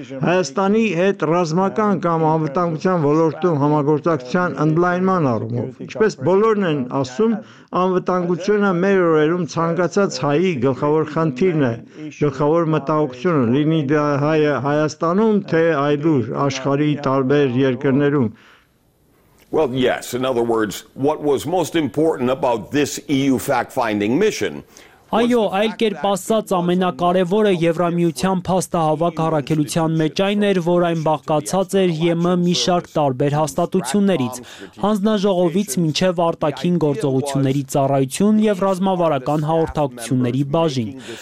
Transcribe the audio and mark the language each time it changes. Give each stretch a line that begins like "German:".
Armenian: Հայաստանի հետ ռազմական կամ անվտանգության ոլորտում համագործակցության ընդլայնման առումով, ինչպես բոլորն են ասում, անվտանգությունը մեր օրերում ցանկացած հայի գլխավոր խնդիրն է, գլխավոր մտահոգությունը, լինի դա Հայաստանում, թե այլուր աշխարհի տարբեր երկրներում։
English: Well, yes, in other words, what was most important about this EU fact-finding mission?
Armenian: Այո, այլ կերպ ասած, ամենակարևորը Եվրամիության փաստահավաք առաքելության մեջ այն էր, որ այն բաղկացած էր ԵՄ-ի մի շարք տարբեր հաստատություններից, հանձնաժողովից մինչև արտաքին գործողությունների ծառայություն և ռազմավարական հաղորդակցությունների բաժին։